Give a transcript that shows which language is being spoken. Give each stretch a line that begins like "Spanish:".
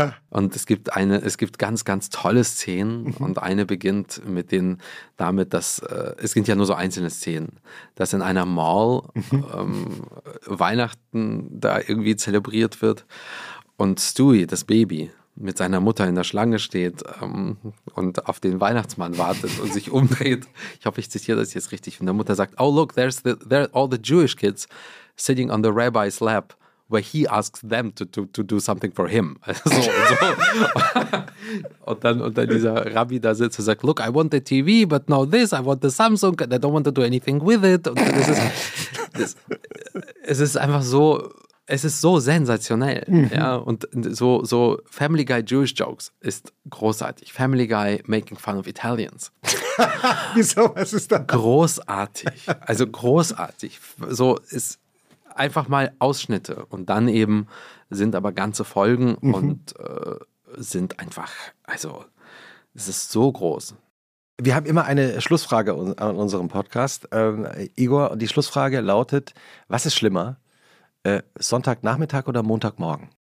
German: Und es gibt ganz, ganz tolle Szenen und eine beginnt mit den, damit, dass, es sind ja nur so einzelne Szenen, dass in einer Mall Weihnachten da irgendwie zelebriert wird und Stewie, das Baby, mit seiner Mutter in der Schlange steht und auf den Weihnachtsmann wartet und sich umdreht. Ich hoffe, ich zitiere das jetzt richtig. Und der Mutter sagt,
English: oh look, there are all the Jewish kids sitting on the rabbi's lap. Where he asks them to do something for him. So, so.
German: Und dann dieser Rabbi da sitzt und sagt,
English: look, I want the TV, but now this, I want the Samsung, and I don't want to do anything with it.
German: Und das ist, das, es ist einfach so, es ist so sensationell. Mhm. Ja? Und so, so Family Guy Jewish Jokes ist großartig.
English: Family Guy making fun of Italians.
German: Wieso, was ist das? Großartig. Also großartig. So ist einfach mal Ausschnitte und dann eben sind aber ganze Folgen und sind einfach, also es ist so groß. Wir haben immer eine Schlussfrage an unserem Podcast. Igor, die Schlussfrage lautet, was ist schlimmer, Sonntagnachmittag oder Montagmorgen?